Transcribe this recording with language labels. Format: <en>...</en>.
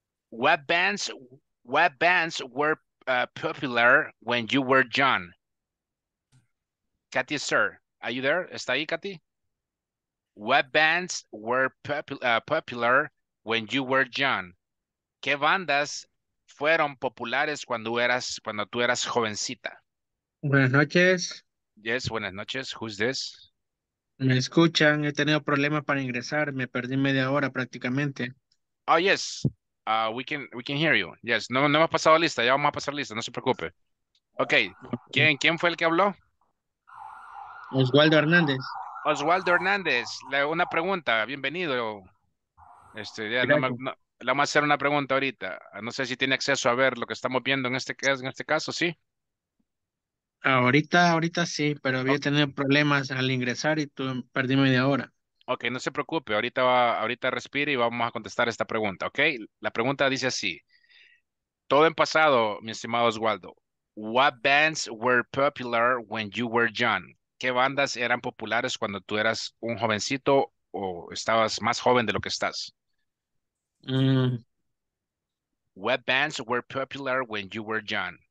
<en>What bands were popular when you were young? Katy Esther, are you there?</en> <es>¿Está ahí, Katy?</es> <en>What bands were popular when you were young?</en> <es>¿Qué bandas fueron populares cuando tú eras jovencita? Buenas noches.</es> <en>Yes,</en> <es>buenas noches.</es> <en>Who's this? Me escuchan. He tenido problemas para ingresar. Me perdí media hora prácticamente. Oh, yes. We can hear you. Yes.</en> <es>No, no hemos pasado lista. Ya vamos a pasar lista. No se preocupe. Okay. ¿Quién fue el que habló? Oswaldo Hernández. Oswaldo Hernández. Una pregunta. Bienvenido. Ya le vamos a hacer una pregunta ahorita. No sé si tiene acceso a ver lo que estamos viendo en este caso. ¿Sí? Ahorita sí, pero había tenido problemas al ingresar y perdí media hora. Ok, no se preocupe, ahorita respire y vamos a contestar esta pregunta, ok? La pregunta dice así, todo en pasado, mi estimado Oswaldo,</es> <en>what bands were popular when you were young?</en> <es>¿Qué bandas eran populares cuando tú eras un jovencito o estabas más joven de lo que estás?</es> <en>What bands were popular when you were young?</en>